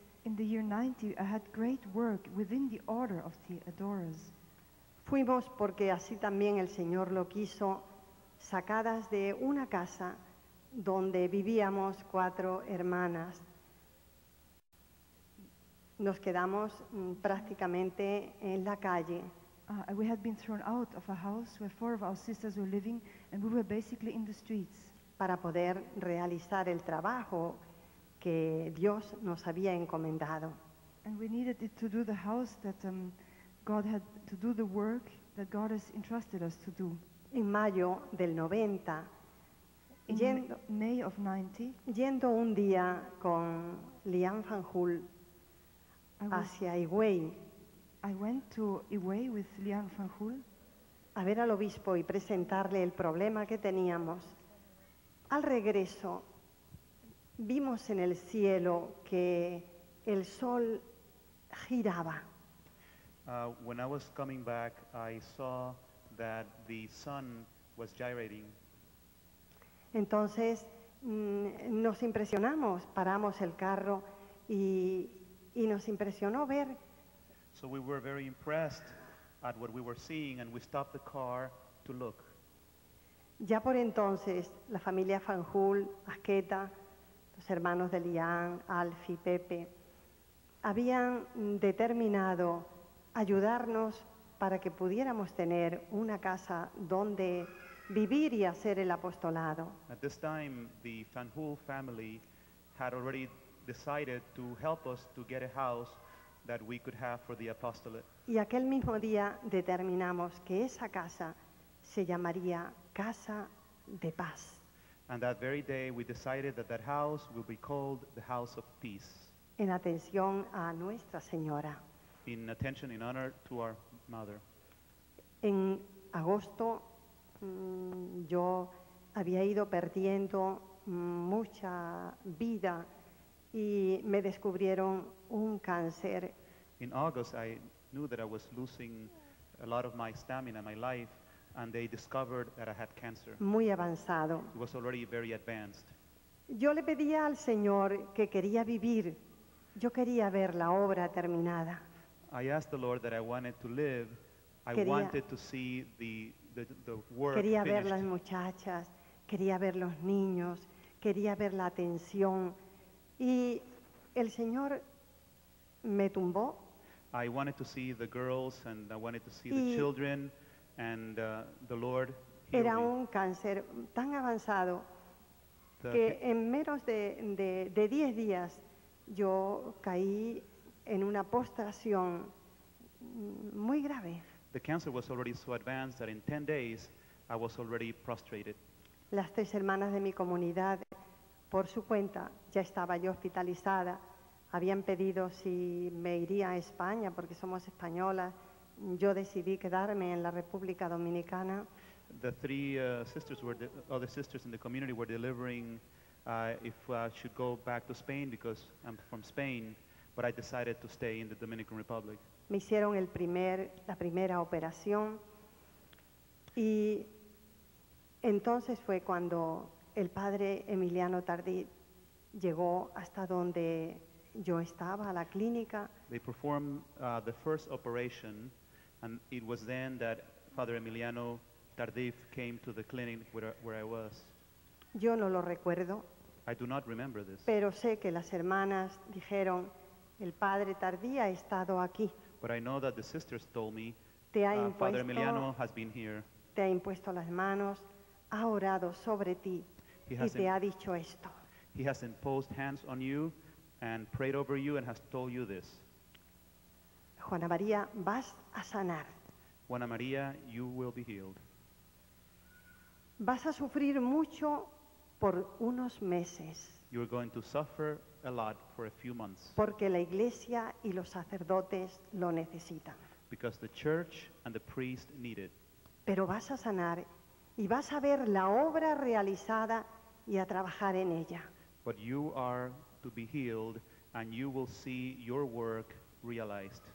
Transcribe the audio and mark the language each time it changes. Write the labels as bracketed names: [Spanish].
[English] In the year 90, I had great work within the order of the adorers. [Spanish] Fuimos, porque así también el Señor lo quiso, sacadas de una casa donde vivíamos cuatro hermanas. Nos quedamos prácticamente en la calle. [English] We had been thrown out of a house where four of our sisters were living, and we were basically in the streets. [Spanish] Para poder realizar el trabajo que Dios nos había encomendado. [English] And we needed it to do the house that God had to do the work that God has entrusted us to do. [Spanish] En mayo del 90, yendo un día con Liam Van Hul hacia Higüey. [English] I went to Higüey with Liam Van Hul [Spanish] a ver al obispo y presentarle el problema que teníamos. Al regreso, vimos en el cielo que el sol giraba. [English] When I was coming back, I saw that the sun was gyrating. [Spanish] Entonces, nos impresionamos, paramos el carro y nos impresionó ver. [English] So we were very impressed at what we were seeing and we stopped the car to look. [Spanish] Ya por entonces, la familia Van Hul, Asqueta, los hermanos de Lian, Alfie, Pepe, habían determinado ayudarnos para que pudiéramos tener una casa donde vivir y hacer el apostolado. [English] At this time, the Van Hul family had already decided to help us to get a house that we could have for the apostolate. [Spanish] Y aquel mismo día determinamos que esa casa se llamaría Casa de Paz. [English] And that very day we decided that that house will be called the House of Peace. [Spanish] En atención a Nuestra Señora. [English] In attention, in honor to our mother. [Spanish] En agosto yo había ido perdiendo mucha vida y me descubrieron un cáncer. [English] In August, I knew that I was losing a lot of my stamina, my life, and they discovered that I had cancer. [Spanish] Muy avanzado. [English] It was already very advanced. [Spanish] Yo le pedía al Señor que quería vivir. Yo quería ver la obra terminada. [English] I asked the Lord that I wanted to live. I wanted to see the work [Spanish] quería [English] finished. [Spanish] Ver las muchachas, quería ver los niños, quería ver la atención. Y el Señor me tumbó. [English] I wanted to see the girls and I wanted to see the children and the Lord healed [Spanish] era [English] me. [Spanish] Un cáncer tan avanzado que en menos de 10 días yo caí en una postración muy grave. [English] The cancer was already so advanced that in 10 days I was already prostrated. [Spanish] Las tres hermanas de mi comunidad, por su cuenta, ya estaba yo hospitalizada. Habían pedido si me iría a España porque somos españolas. Yo decidí quedarme en la República Dominicana. [English] The three sisters were the other sisters in the community were delivering if I should go back to Spain because I'm from Spain, but I decided to stay in the Dominican Republic. [Spanish] Me hicieron la primera operación y entonces fue cuando el padre Emiliano Tardí llegó hasta donde yo estaba, a la clínica. [English] They performed the first operation and it was then that Father Emiliano Tardif came to the clinic where I was. [Spanish] Yo no lo recuerdo. [English] I do not remember this. [Spanish] Pero sé que las hermanas dijeron, el padre Tardí ha estado aquí. [English] But I know that the sisters told me, [Spanish] te ha impuesto, [English] Father Emiliano has been here. [Spanish] Te ha impuesto las manos, ha orado sobre ti, y te ha dicho esto. [English] He has imposed hands on you and prayed over you and has told you this. [Spanish] Juana María, vas a sanar. [English] Juana María, you will be healed. [Spanish] Vas a sufrir mucho por unos meses. [English] You're going to suffer a lot for a few months. [Spanish] Porque la iglesia y los sacerdotes lo necesitan. [English] Because the church and the priest need it. [Spanish] Pero vas a sanar y vas a ver la obra realizada y a trabajar en ella. [English] But you are to be healed and you will see your work realized.